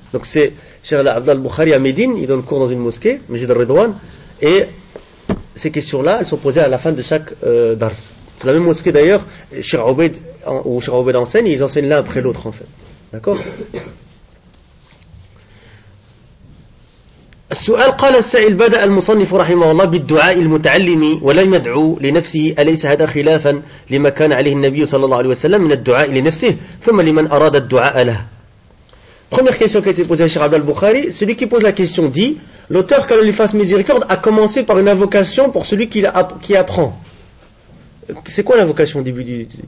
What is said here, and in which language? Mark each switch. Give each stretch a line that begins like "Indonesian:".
French: Donc, c'est Inch'Allah Abdal Bukhari à Médine, il donne cours dans une mosquée, Mejid al-Ridwan, et ces questions-là, elles sont posées à la fin de chaque dars. C'est la même mosquée d'ailleurs, Cheikh Obed enseigne, ils enseignent l'un après l'autre en fait. D'accord ?
Arabic: السؤال قال السائل بدأ المصنف رحمه الله بالدعاء المتعلم ولم يدعو لنفسه أليس هذا خلافا لما كان عليه النبي صلى الله عليه وسلم من الدعاء لنفسه ثم لمن أراد الدعاء له.
French: Première question qui a été posée à Cheikh Abdal Bukhari, celui qui pose la question dit, l'auteur, qu'Allah lui fasse miséricorde, a commencé par une invocation pour celui qui apprend. C'est quoi l'invocation au début du...